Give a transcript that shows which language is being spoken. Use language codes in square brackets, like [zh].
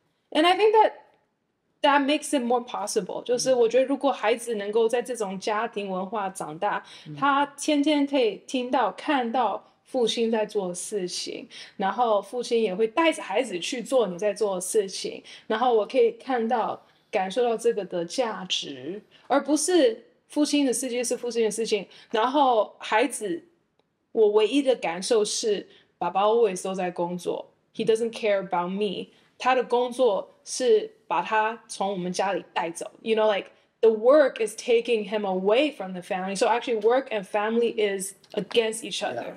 [en] and I think that makes it more possible. [zh] 就是我觉得，如果孩子能够在这种家庭文化长大，他天天可以听到、看到父亲在做事情，然后父亲也会带着孩子去做你在做的事情，然后我可以看到、感受到这个的价值，而不是父亲的世界是父亲的事情，然后孩子。我唯一的感受是爸爸 [en] always [zh] 都在工作 [en] He doesn't care about me [zh] 他的工作是把他从我们家里带走 [en] You know like The work is taking him away from the family So actually work and family is against each other